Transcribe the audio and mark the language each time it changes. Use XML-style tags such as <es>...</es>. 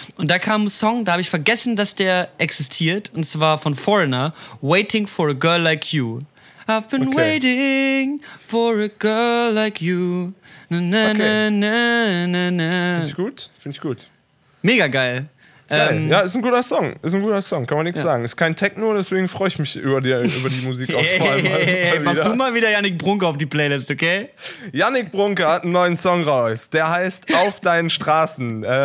<de>Und da kam ein Song, da habe ich vergessen, dass der existiert. Und zwar von Foreigner, Waiting for a Girl Like You.</de> <en>I've been waiting for a girl like you. Na, na, na, na, na, na.</en> <de>Finde ich gut. Mega geil. Ja, ist ein guter Song, kann man nichts sagen. Ist kein Techno, deswegen freue ich mich über die Musik aus. Mach du mal wieder Yannick Brunke auf die Playlist, okay? Yannick Brunke hat einen neuen Song raus, der heißt Auf deinen Straßen.</de>